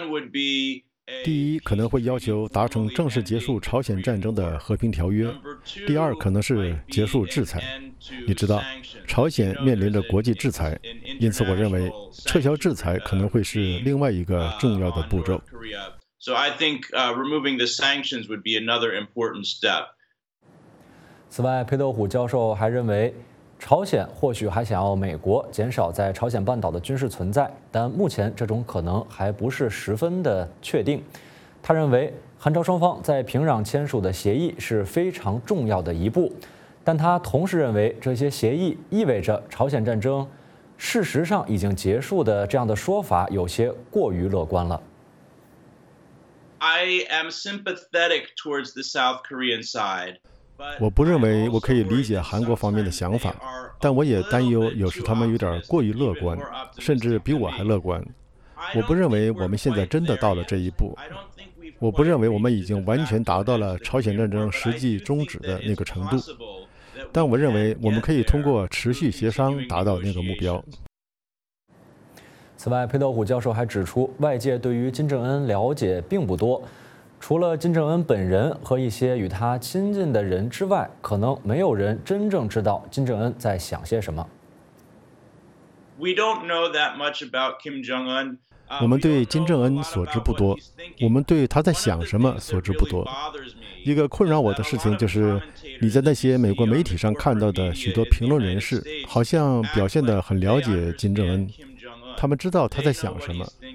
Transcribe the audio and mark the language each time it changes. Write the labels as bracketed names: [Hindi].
[Chinese] 第一，可能会要求达成正式结束朝鲜战争的和平条约。第二，可能是结束制裁。你知道，朝鲜面临着国际制裁，因此我认为撤销制裁可能会是另外一个重要的步骤。 [English] So I think removing the sanctions would be another important step. [Chinese] 此外，裴斗虎教授还认为，朝鲜或许还想要美国减少在朝鲜半岛的军事存在，但目前这种可能还不是十分的确定。他认为韩朝双方在平壤签署的协议是非常重要的一步，但他同时认为这些协议意味着朝鲜战争事实上已经结束的这样的说法有些过于乐观了。 [English] I am sympathetic towards the South Korean side. [Chinese] 我不认为我可以理解韩国方面的想法，但我也担忧有时他们有点过于乐观，甚至比我还乐观。我不认为我们现在真的到了这一步。我不认为我们已经完全达到了朝鲜战争实际终止的那个程度，但我认为我们可以通过持续协商达到那个目标。此外，裴斗虎教授还指出，外界对于金正恩了解并不多，除了金正恩本人和一些与他亲近的人之外，可能没有人真正知道金正恩在想些什么。 [English] We don't know that much about Kim Jong-un. [Chinese] 我们对金正恩所知不多，我们对他在想什么所知不多。一个困扰我的事情就是，你在那些美国媒体上看到的许多评论人士，好像表现得很了解金正恩，他们知道他在想什么。